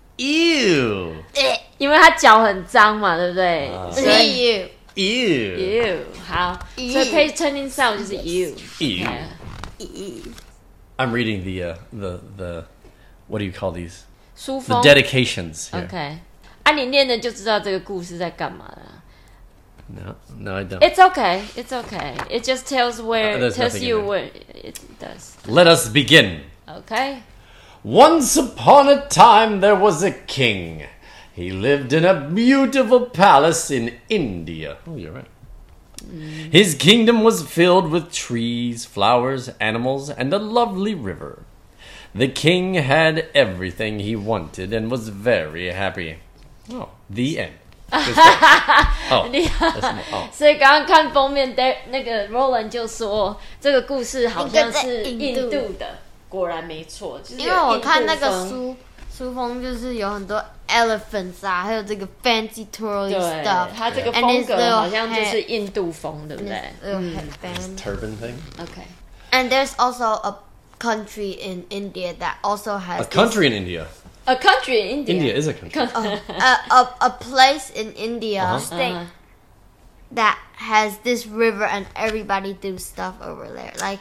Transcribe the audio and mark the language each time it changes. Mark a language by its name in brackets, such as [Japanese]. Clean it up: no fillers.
[Chinese] Ew! 因为他脚很脏嘛，对不对？ Ew! Ew! Ew! 好，所以 [English] page turning sound [Chinese] 就是 ew. Ew! Ew! [English] I'm reading the what do you call these? [Chinese] 书封 [English] The dedications.、Here. Okay. [Chinese] 啊，你念的就知道这个故事在干嘛了。 [English] No, I don't. It's okay. It's okay. It just tells where tells you where it does. Let us begin. Okay. Once upon a time, there was a king. He lived in a beautiful palace in India. Oh, you're right. His kingdom was filled with trees, flowers, animals, and a lovely river. The king had everything he wanted and was very happy. Oh, the end. [Chinese] Oh, 厉害！所以刚刚看封面，那个 Roland 就说这个故事好像是印度的。果然没错，就是因为我看那个书，书风就是有很多 elephants 啊，还有这个 [English] fancy twirly stuff。 [Chinese] 它这个风格好像就是印度风，对不对？嗯 [English] ，turban thing. Okay. And there's also a country in India that also has a country in India. A country in India. India is a country. A place in India, state that has this river, and everybody do stuff over there, like